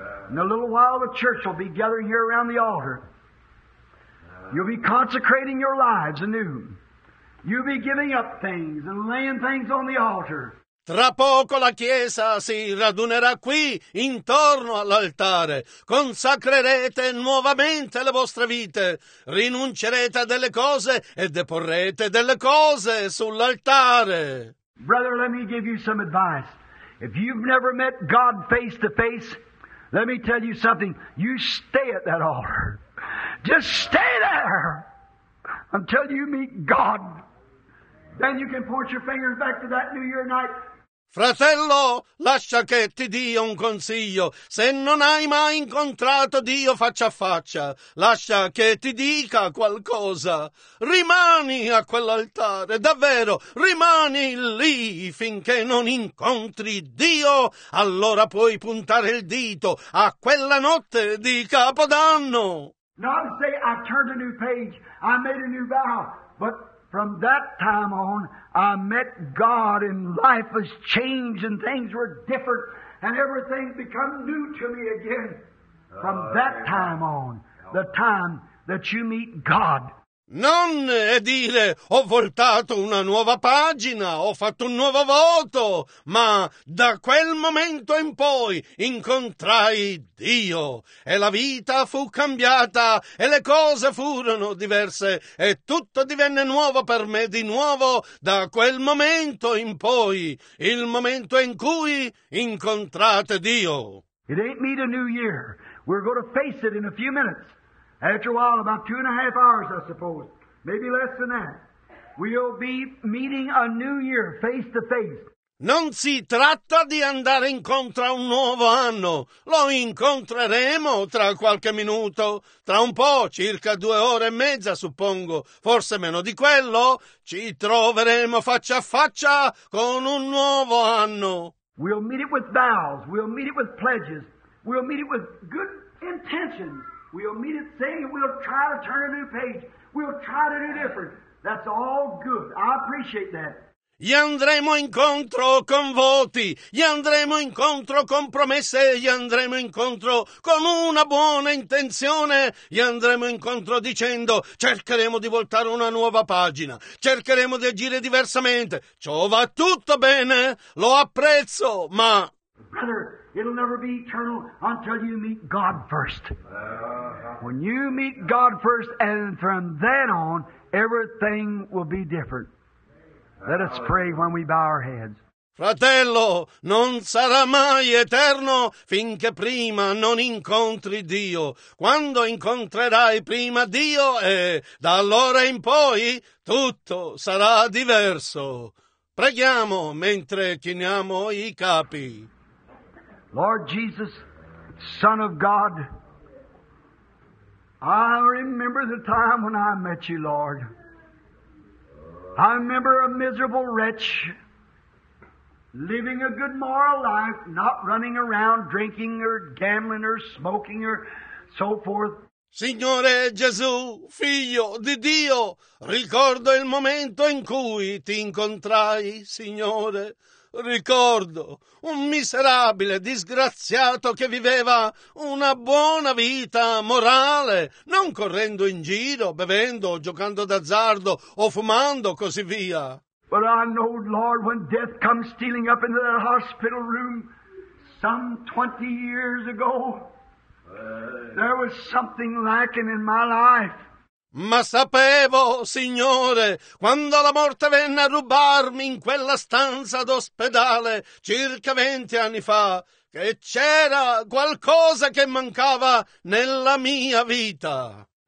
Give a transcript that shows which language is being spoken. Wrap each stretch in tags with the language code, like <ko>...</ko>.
<en>In a little while the church will be gathering here around the altar. You'll be consecrating your lives anew. You'll be giving up things and laying things on the altar.</en> <it>Tra poco la Chiesa si radunerà qui, intorno all'altare. Consacrerete nuovamente le vostre vite. Rinuncerete a delle cose e deporrete delle cose sull'altare.</it> <en>Brother, let me give you some advice. If you've never met God face to face, let me tell you something. You stay at that altar. Just stay there until you meet God. Then you can point your fingers back to that New Year night.</en> <it>Fratello, lascia che ti dia un consiglio. Se non hai mai incontrato Dio faccia a faccia, lascia che ti dica qualcosa. Rimani a quell'altare, davvero, rimani lì finché non incontri Dio. Allora puoi puntare il dito a quella notte di Capodanno.</it> <en>Not to say I turned a new page, I made a new vow, but from that time on, I met God and life has changed and things were different and everything's become new to me again. From that time on, the time that you meet God.</en> <it>Non è dire ho voltato una nuova pagina, ho fatto un nuovo voto, ma da quel momento in poi incontrai Dio e la vita fu cambiata e le cose furono diverse e tutto divenne nuovo per me di nuovo da quel momento in poi, il momento in cui incontrate Dio.</it> <en>It ain't me the new year. We're going to face it in a few minutes. After a while, about 2.5 hours, I suppose, maybe less than that, we'll be meeting a new year face to face.</en> <it>Non si tratta di andare incontro a un nuovo anno. Lo incontreremo tra qualche minuto. Tra un po', circa 2 ore e mezza, suppongo, forse meno di quello, ci troveremo faccia a faccia con un nuovo anno.</it> <en>We'll meet it with vows, we'll meet it with pledges, we'll meet it with good intentions. We'll meet it saying we'll try to turn a new page, we'll try to do different. That's all good. I appreciate that.</en> <it>Gli andremo incontro con voti, gli andremo incontro con promesse, gli andremo incontro con una buona intenzione, gli andremo incontro dicendo cercheremo di voltare una nuova pagina, cercheremo di agire diversamente. Ciò va tutto bene, lo apprezzo, ma...</it> <en>Brother, it'll never be eternal until you meet God first. When you meet God first and from then on, everything will be different. Let us pray when we bow our heads.</en> <it>Fratello, non sarà mai eterno finché prima non incontri Dio. Quando incontrerai prima Dio, da allora in poi tutto sarà diverso. Preghiamo mentre chiniamo i capi.</it> <en>Lord Jesus, Son of God, I remember the time when I met you, Lord. I remember a miserable wretch living a good moral life, not running around drinking or gambling or smoking or so forth.</en> <it>Signore Gesù, figlio di Dio, ricordo il momento in cui ti incontrai, Signore. Ricordo un miserabile disgraziato che viveva una buona vita morale, non correndo in giro, bevendo, giocando d'azzardo o fumando, così via.</it> <en>But I know, Lord, when death comes stealing up into that hospital room some 20 years ago, there was something lacking in my life.</en> <it>Ma sapevo, Signore, quando la morte venne a rubarmi in quella stanza d'ospedale circa 20 anni fa, che c'era qualcosa che mancava nella mia vita.</it>